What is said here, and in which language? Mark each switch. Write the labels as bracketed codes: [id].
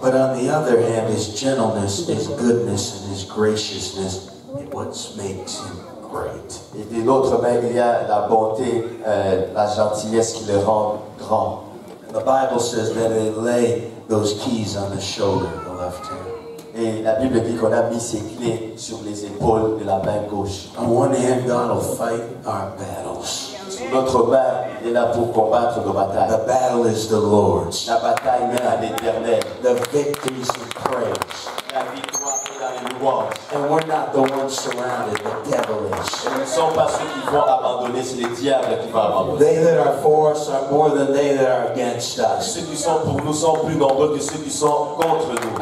[en] But on the other hand, His gentleness, His goodness, and His graciousness is what makes Him great. [fr] Et de l'autre main, il y a la bonté, la gentillesse qui le rend grand. [en] The Bible says that they lay those keys on the shoulder, the left hand. [fr] Et la Bible dit qu'on a mis ses clés sur les épaules de la main gauche. [en] On one hand, God will fight our battles. [fr] Sur notre main, il est là pour combattre nos batailles. [en] The battle is the Lord's. [fr] La bataille est à l'Éternel. [en] The victory is in praise. [fr] La victoire est dans les louanges. [en] And we're not the ones surrounded, the devil is. [fr] Et nous ne sommes pas ceux qui vont abandonner, c'est les diables qui vont abandonner. [en] They that are for us are more than they that are against us. [fr] Ceux qui sont pour nous sont plus nombreux que ceux qui sont contre nous.